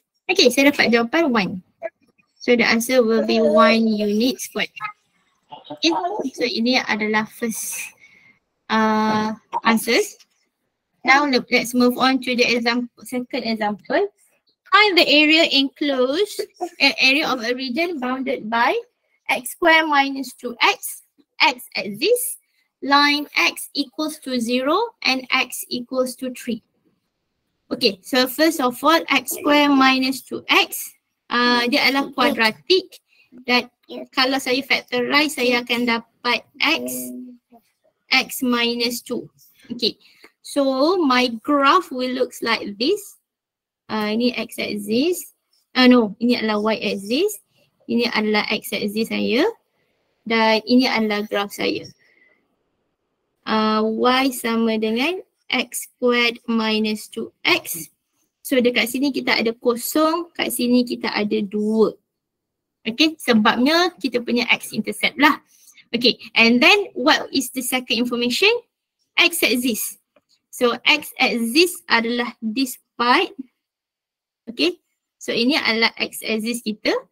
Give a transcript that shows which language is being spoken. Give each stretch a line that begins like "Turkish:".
English: Okay,
Malay: saya dapat jawapan 1.
English: So the answer will be 1 unit squared. Okay, so
Malay: ini adalah
English: first answers. Now let's move on to the example, second example. Find the area enclosed, an area of a region bounded by x squared minus 2x, x at this, line x equals to 0 and x equals to 3. Okay, so first of all, x squared minus 2x,
Malay: dia adalah
English: quadratic that
Malay: kalau saya
English: factorize,
Malay: saya akan dapat
English: x minus 2. Okay, so my graph will look like this.
Malay: Ini x axis. Ini adalah y axis. Ini adalah x axis saya. Dan ini adalah graph saya. Y sama dengan x squared minus 2x. So dekat sini kita ada kosong, kat sini kita ada 2. Okay, sebabnya kita punya x-intercept lah.
English: Okay, and then what is the second information? X axis. So x axis
Malay: adalah
English: this part. Okay, so
Malay: ini adalah
English: x axis kita.